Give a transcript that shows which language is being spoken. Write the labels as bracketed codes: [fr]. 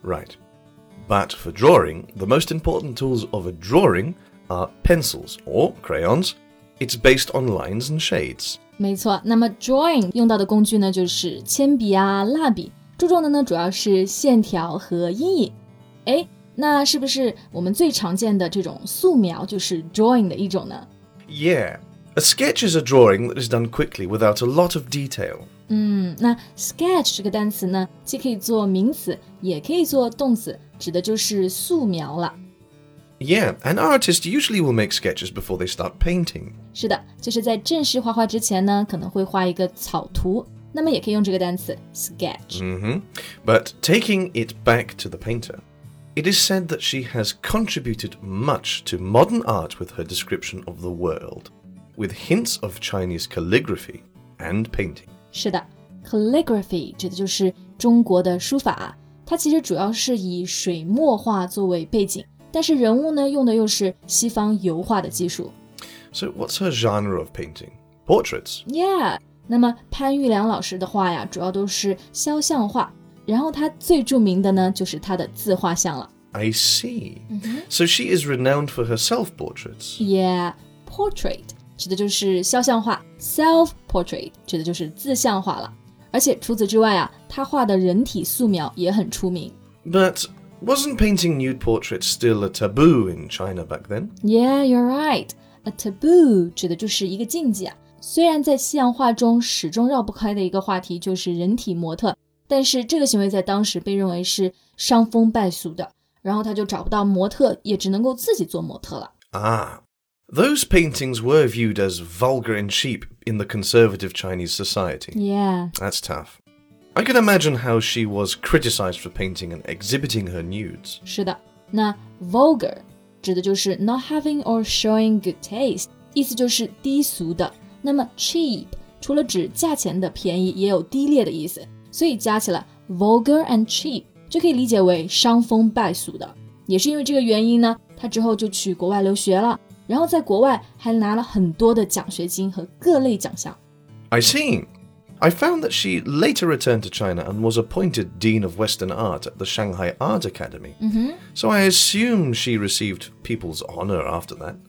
[en] Right. But for drawing, the most important tools of a drawing are pencils or crayons. It's based on lines and shades. [zh] 没错，那么 drawing 用到的工具呢，就是铅笔啊、蜡笔，注重的呢主要是线条和阴影。哎，那是不是我们最常见的这种素描就是 drawing 的一种呢？ [en] Yeah, a sketch is a drawing that is done quickly without a lot of detail. [zh] 那 sketch 这个单词呢，既可以做名词，也可以做动词，指的就是素描了。 [en] Yeah, an artist usually will make sketches before they start painting. [zh] 是的，就是在正式画画之前呢，可能会画一个草图，那么也可以用这个单词 sketch. [en] But taking it back to the painter, it is said that she has contributed much to modern art with her description of the world, with hints of Chinese calligraphy and painting. [zh] 是的， Calligraphy 指的就是中国的书法，它其实主要是以水墨画作为背景，但是人物呢用的又是西方油画的技术。 [en] So what's her genre of painting? Portraits? [zh] Yeah, 那么潘玉良老师的画呀主要都是肖像画，然后他最著名的呢就是他的自画像了。 [en] I see.、Mm-hmm. So she is renowned for her self-portraits. [zh] Yeah, portrait 指的就是肖像画， self-portrait 指的就是自像画了。而且除此之外啊，他画的人体素描也很出名。 [en] But wasn't painting nude portraits still a taboo in China back then? Yeah, you're right. [zh] A taboo 指的就是一个禁忌啊。虽然在西洋画中始终绕不开的一个话题就是人体模特，但是这个行为在当时被认为是伤风败俗的，然后他就找不到模特，也只能够自己做模特了。 [en] Ah, those paintings were viewed as vulgar and cheap in the conservative Chinese society. Yeah. That's tough. I can imagine how she was criticized for painting and exhibiting her nudes. [zh] 是的，那 vulgar 指的就是 [en] not having or showing good taste, [zh] 意思就是低俗的。那么 cheap 除了指价钱的便宜，也有低劣的意思。所以加起来 vulgar and cheap 就可以理解为伤风败俗的。也是因为这个原因呢，他之后就去国外留学了，然后在国外还拿了很多的奖学金和各类奖项。 [en] I see. I found that she later returned to China and was appointed Dean of Western Art at the Shanghai Art Academy. So I assume she received people's honor after that.